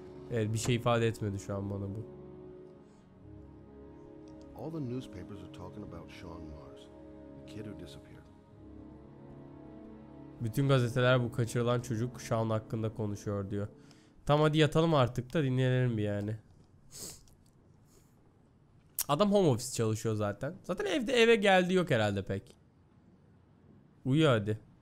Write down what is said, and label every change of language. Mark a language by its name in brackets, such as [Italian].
[Turkish] Evet, bir şey ifade etmedi şu an bana bu. [English] All the newspapers are talking about Sean Mars, the kid who disappeared. [Turkish] Bütün gazeteler bu kaçırılan çocuk Sean hakkında konuşuyor diyor. Tam hadi yatalım artık da dinlenelim bir yani. Adam home office çalışıyor zaten. Zaten evde, eve geldi yok herhalde pek. Uyu hadi.